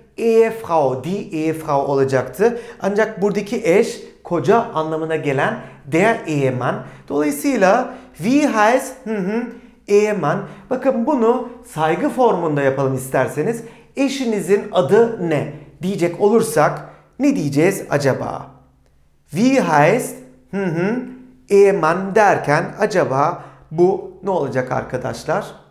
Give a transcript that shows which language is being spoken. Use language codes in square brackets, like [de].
[tr] Ehefrau, die Ehefrau olacaktı. Ancak buradaki eş koca anlamına gelen der Ehemann. Dolayısıyla [de] wie heißt Ehemann? [tr] Bakın bunu saygı formunda yapalım isterseniz. Eşinizin adı ne? Diyecek olursak ne diyeceğiz acaba? [de] Wie heißt Ehemann [tr] derken acaba bu ne olacak arkadaşlar?